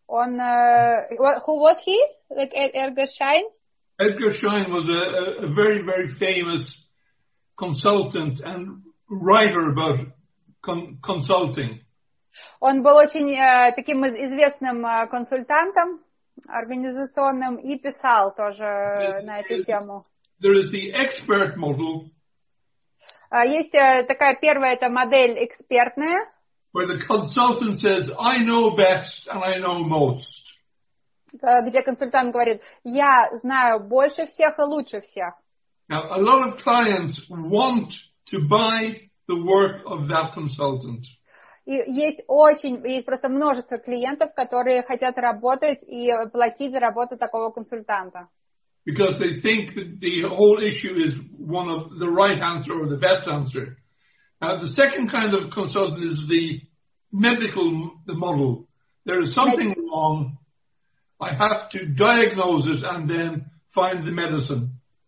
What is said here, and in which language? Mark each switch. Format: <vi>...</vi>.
<ru>Он,</ru> <en>who was he? Like Edgar Schein? Edgar Schein was a very, very famous consultant and writer about consulting.</en> <ru>Он был очень таким известным консультантом, организационным, и писал тоже на эту тему.</ru> <en>There is the expert model.</en> <ru>Есть такая первая, это модель экспертная.</ru> <en>Where the consultant says, I know best and I know most.</en> <ru>Где консультант говорит, я знаю больше всех и лучше всех.</ru> <en>Now, a lot of clients want to buy the work of that consultant.</en> <ru>И есть просто множество клиентов, которые хотят работать и платить за работу такого консультанта.</ru> <en>Because they think that the whole issue is one of the right answer or the best answer. Now, the second kind of consultant is the medical model. There is something wrong. I have to diagnose it and then find the medicine.</en>